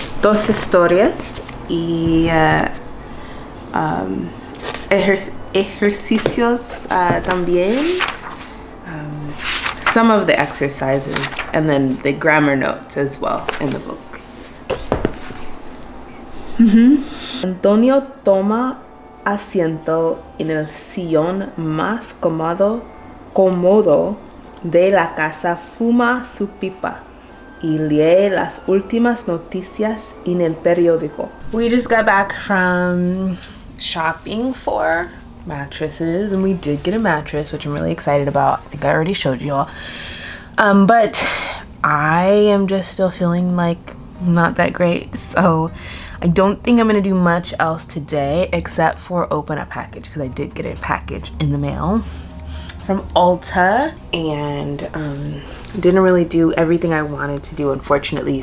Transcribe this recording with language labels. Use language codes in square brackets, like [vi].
[es] Dos historias y ejercicios también. [en] Some of the exercises and then the grammar notes as well in the book. [es] Antonio toma asiento en el sillón más cómodo de la casa, fuma su pipa y lee las últimas noticias en el periódico. [en] We just got back from shopping for mattresses, and we did get a mattress, which I'm really excited about. I think I already showed you all. But I am just still feeling like not that great, so I don't think I'm gonna do much else today except for open a package, because I did get a package in the mail from Ulta, and didn't really do everything I wanted to do, unfortunately.